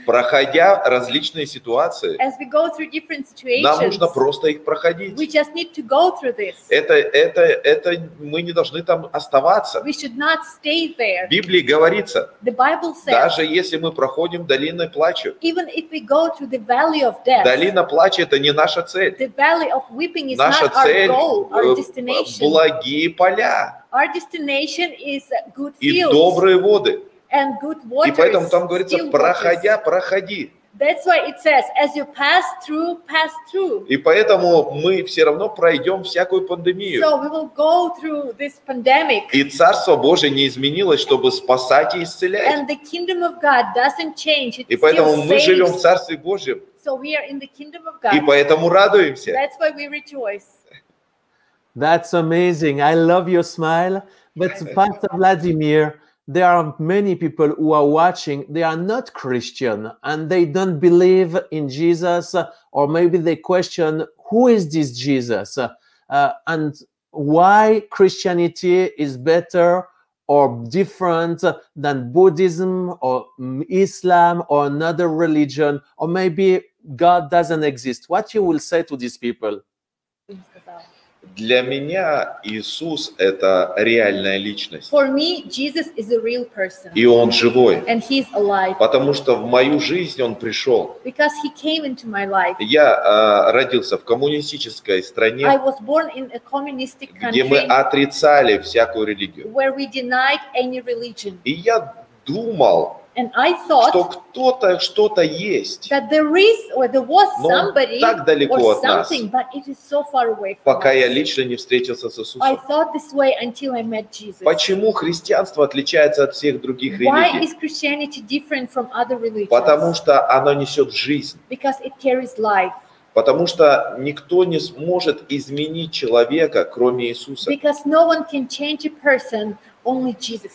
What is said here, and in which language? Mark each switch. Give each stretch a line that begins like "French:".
Russian: Проходя различные ситуации,
English: as we go through different situations,
Russian: нам нужно просто их проходить.
English: We just need to go through this.
Russian: Это мы не должны там оставаться.
English: We should not stay there.
Russian: В Библии говорится,
English: the Bible says,
Russian: даже если мы проходим долиной плача,
English: even if we go through the valley of death,
Russian: долина плача — это не наша цель.
English: The valley of weeping is
Russian: наша
English: not our goal.
Russian: Благие поля.
English: Our destination is good fields.
Russian: И добрые воды.
English: And good waters.
Russian: И поэтому там говорится, проходя, проходи.
English: That's why it says, as you pass through, pass through.
Russian: И поэтому мы все равно пройдем всякую пандемию.
English: So we will go through this pandemic.
Russian: И Царство Божие не изменилось, чтобы спасать и исцелять.
English: And the kingdom of God doesn't change. It
Russian: и поэтому
English: still
Russian: мы
English: saves.
Russian: Живем в Царстве Божьем.
English: So we are in the kingdom of God.
Russian: И поэтому радуемся.
English: That's why we rejoice. That's amazing. I love your smile. But Pastor Vladimir, there are many people who are watching. They are not Christian and they don't believe in Jesus, or maybe they question, who is this Jesus? And why Christianity is better or different than Buddhism or Islam or another religion, or maybe God doesn't exist. What you will say to these people?
Russian: Для меня Иисус – это реальная личность.
English: For me, Jesus is a real person.
Russian: И Он живой.
English: And He's alive.
Russian: Потому что в мою жизнь Он пришел.
English: Because He came into my life.
Russian: Я родился в коммунистической стране,
English: I was born in a communistic country,
Russian: где мы отрицали всякую религию.
English: Where we denied any religion.
Russian: И я думал,
English: And I thought,
Russian: что кто-то что-то есть,
English: that there is, or there was somebody,
Russian: но так далеко
English: or something,
Russian: от нас,
English: so
Russian: пока
English: us.
Russian: Я лично не встретился с Иисусом.
English: I thought this way until I met Jesus.
Russian: Почему христианство отличается от всех других религий?
English: Why is Christianity different from other religions?
Russian: Потому что оно несет жизнь.
English: Because it carries life.
Russian: Потому что никто не сможет изменить человека, кроме Иисуса.
English: Because no one can change a person. Only Jesus.